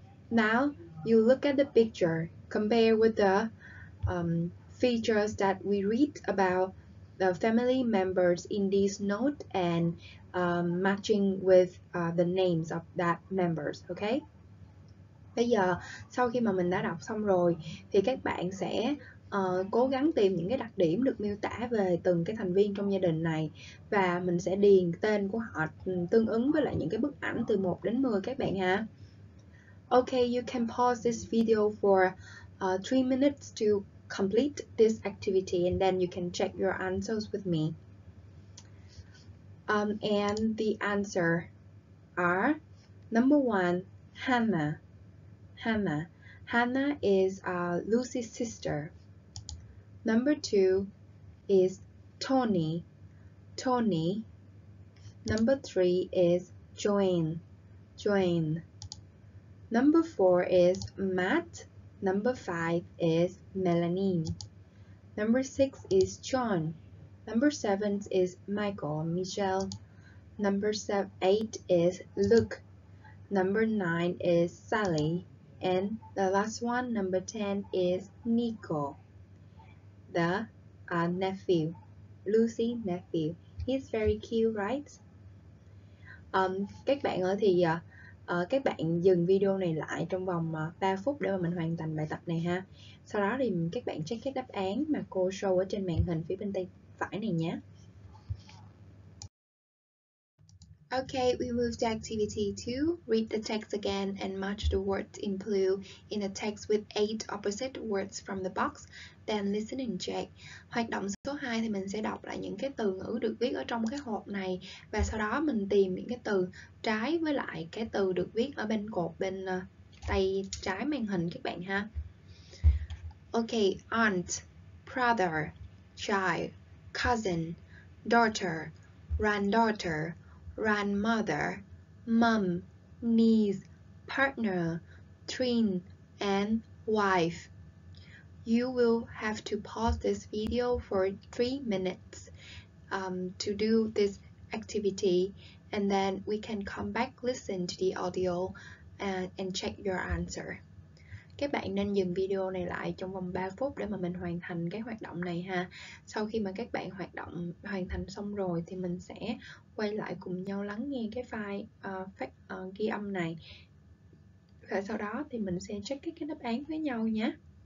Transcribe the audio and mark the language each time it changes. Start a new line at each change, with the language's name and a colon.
English: Now you look at the picture. Compare with the features that we read about the family members in this note and matching with the names of that members, okay?
Vietnamese: Bây giờ sau khi mà mình đã đọc xong rồi thì các bạn sẽ cố gắng tìm những cái đặc điểm được miêu tả về từng cái thành viên trong gia đình này và mình sẽ điền tên của họ tương ứng với lại những cái bức ảnh từ 1 đến 10 các bạn ha.
English: Okay, you can pause this video for 3 minutes to complete this activity and then you can check your answers with me. And the answer are number 1, Hannah. Hannah is Lucy's sister. Number 2 is Tony. Number 3 is Joanne. Number 4 is Matt. Number 5 is Melanie. Number 6 is John. Number 7 is Michelle. Number 8 is Luke. Number 9 is Sally. And the last one, number 10, is Nico, the nephew, Lucy nephew. He's very cute, right?
Vietnamese: Các bạn ơi thì các bạn dừng video này lại trong vòng 3 phút để mà mình hoàn thành bài tập này ha. Sau đó thì các bạn check cái đáp án mà cô show ở trên màn hình phía bên tay phải này nhé.
English: Okay, we move to activity 2. Read the text again and match the words in blue in the text with 8 opposite words from the box. Then listen and check.
Vietnamese: Hoạt động số 2 thì mình sẽ đọc lại những cái từ ngữ được viết ở trong cái hộp này và sau đó mình tìm những cái từ trái với lại cái từ được viết ở bên cột bên tay trái màn hình các bạn ha.
English: Okay, aunt, brother, child, cousin, daughter, granddaughter, grandmother, mum, niece, partner, twin, and wife. You will have to pause this video for 3 minutes to do this activity, and then we can come back, listen to the audio, and check your answer.
Vietnamese: Các bạn nên dừng video này lại trong vòng 3 phút để mà mình hoàn thành cái hoạt động này ha. Sau khi mà các bạn hoàn thành xong rồi thì mình sẽ quay lại cùng nhau lắng nghe cái file ghi âm này. Và sau đó thì mình sẽ check cái đáp án với nhau nhé.